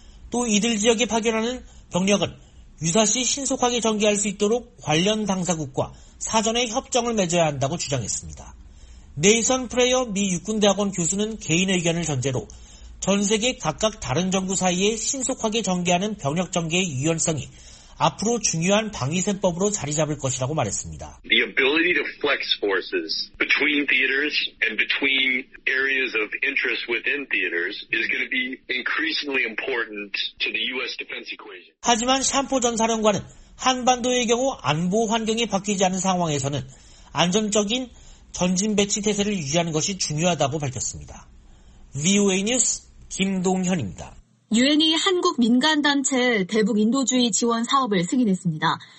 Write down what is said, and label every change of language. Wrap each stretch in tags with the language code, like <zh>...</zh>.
<ko>또 이들 지역에 파견하는 병력은 유사시 신속하게 전개할 수 있도록 관련 당사국과 사전에 협정을 맺어야 한다고 주장했습니다. 네이선 프레이어 미 육군대학원 교수는 개인 의견을 전제로 전 세계 각각 다른 정부 사이에 신속하게 전개하는 병력 전개의 유연성이 앞으로 중요한 방위세법으로 자리 잡을 것이라고 말했습니다.</ko> <en>The ability to flex forces between theaters and between areas of interest within theaters is going to be increasingly important to the U.S. defense equation.</en> <ko>하지만 샴포 전 사령관은 한반도의 경우 안보 환경이 바뀌지 않은 상황에서는 안정적인 전진 배치 태세를 유지하는 것이 중요하다고 밝혔습니다. VOA 뉴스 김동현입니다. 유엔이 한국 민간단체 대북 인도주의 지원 사업을 승인했습니다.</ko>